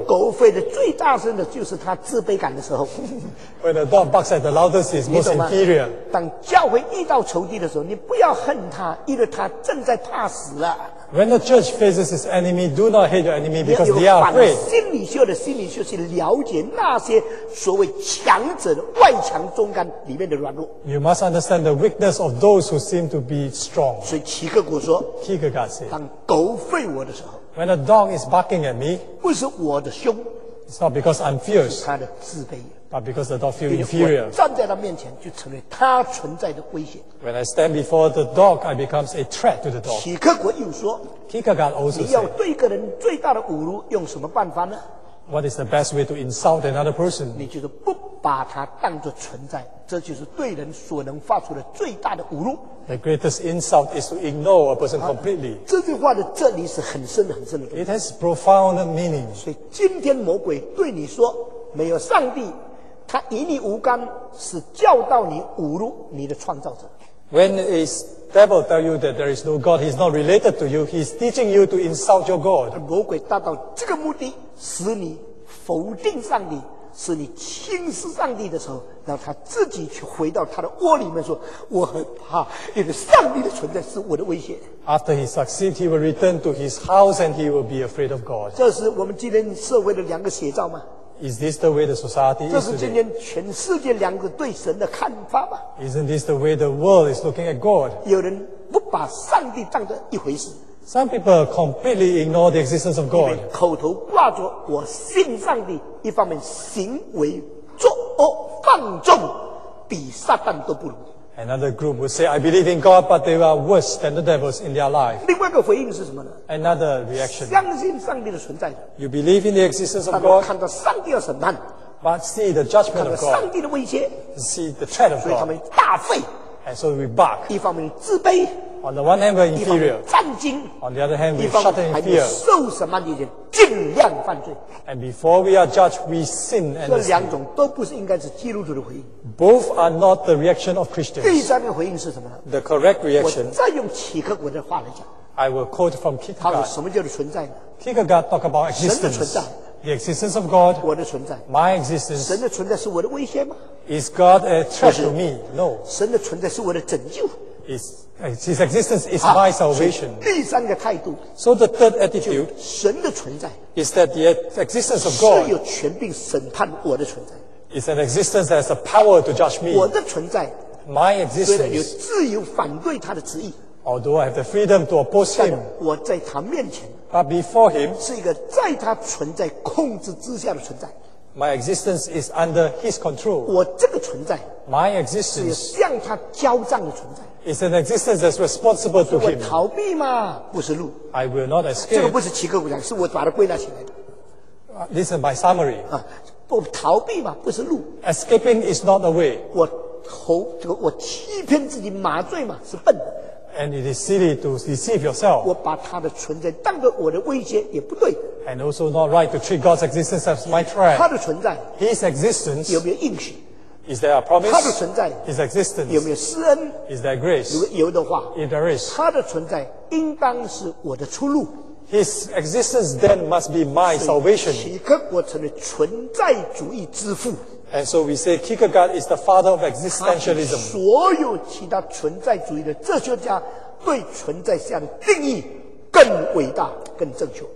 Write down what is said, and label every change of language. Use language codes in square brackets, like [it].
[zh] 狗吠的最大声的就是它自卑感的时候。 [en] When a dog barks at the loudest, it's most inferior. [zh] 当教会遇到仇敌的时候，你不要恨他，因为他正在怕死了。 [en] When the church faces its enemy, do not hate your enemy because they are afraid. [zh] 要有反心理学的心理学去了解那些所谓强者的外强中干里面的软弱。 [en] You must understand the weakness of those who seem to be strong. [zh] 所以齐克古说 [en] ，Kierkegaard said, [zh] 当狗吠我的时候。 [en] When a dog is barking at me, [zh] 不是我的凶 [en] it's not because I'm fierce, [zh] 是他的自卑 [en] but because the dog feels inferior. [zh] 站在他面前就成为他存在的威胁 [en] When I stand before the dog, I become a threat to the dog. [zh] 启克国又说 [en] Kierkegaard also said, [zh] 你要对一个人最大的侮辱用什么办法呢 [en] What is the best way to insult another person? [zh] 你就是不把他当作存在这就是对人所能发出的最大的侮辱 [en] The greatest insult is to ignore a person completely [zh] 这句话的这里是很深很深的 [en] It has profound meaning [zh] 所以今天魔鬼对你说没有上帝他与你无干是教导你侮辱你的创造者 [en] When is devil tell you that there is no God he's not related to you he's teaching you to insult your God [zh] 魔鬼达到这个目的使你否定上帝是你轻视上帝的时候让他自己去回到他的窝里面说我很怕因为上帝的存在是我的威胁 [en] After he succeeds he will return to his house and he will be afraid of God [zh] 这是我们今天社会的两个写照吗 [en] Is this the way the society is today? [zh] 这是今天全世界两个对神的看法吗 [en] Isn't this the way the world is looking at God? [zh] 有人不把上帝当作一回事 [en] Some people completely ignore the existence of God [zh] 因为口头挂着我信上帝一方面行为作恶放纵比撒旦都不如 [en] Another group will say, I believe in God, but they are worse than the devils in their life. [zh] 另外一个回应是什么呢? [en] Another reaction. [zh] 相信上帝的存在。 [en] You believe in the existence of God. [zh] 看到上帝的审判。 [en] But see the judgment of God. [zh] 看到上帝的威胁。 [en] See the threat of God. [zh] 所以他们大废。 [en] And so we bark. [zh] 一方面自卑。 [en] On the one hand, we're inferior. [zh] 战惊。 [en] On the other hand, we're shattered in fear. [zh] 受审判的人尽量犯罪。 [en] And before we are judged, we sin and sin. [zh] 这两种都不是应该是基督徒的回应。 [en] Both are not the reaction of Christians. [zh] 第三个回应是什么呢? [en] The correct reaction. [zh] 我再用启克国的话来讲。 [en] I will quote from Kierkegaard. [zh] 他说什么叫做存在呢? [en] Kierkegaard talk about existence. [zh] 神的存在。 [en] The existence of God. [zh] 我的存在。 [en] My existence. [zh] 神的存在是我的威胁吗? [en] Is God a threat to me? No. [zh] 神的存在是我的拯救。 [en] His existence is my salvation. [zh] 第三个态度, [en] so the third attitude, [zh] 神的存在, [en] is that the existence of God, [zh] 是有权柄审判我的存在, [en] is an existence that has the power to judge me. [zh] 我的存在, [en] my existence, [zh] 有自由反对他的旨意, [en] although I have the freedom to oppose him, [zh] 我在他面前, [en] but before him, [zh] 是一个在他存在控制之下的存在。 [en] My existence is under his control. [zh] 我这个存在, [en] my existence, [zh] 是向他交账的存在。 [en] It's an existence that's responsible to him. [zh] 我逃避吗？不是路。 [en] I will not escape. [zh] 这个不是奇克古讲，是我把它归纳起来的。 [en] This is my summary. [zh] 我逃避吗？不是路。 [en] Escaping is not the way. [zh] 我欺骗自己麻醉嘛，是笨的。 [en] And it is silly to deceive yourself. [zh] 我把他的存在当作我的威胁，也不对。 [en] And also not right to treat God's existence as my threat. [zh] 他的存在。 [en] His existence. [zh] 有没有应许？ [en] Is there a promise? [zh] 他的存在, [en] his existence? [zh] 有没有施恩? [en] Is there grace? [zh] 有的话, [en] if there is, [zh] 他的存在应当是我的出路。 [en] His existence then must be my salvation. [zh] 所以奇克国成了存在主义之父。 [en] And so we say Kierkegaard is the father of existentialism. [zh] 他所有其他存在主义的哲学家对存在下的定义更伟大更正确。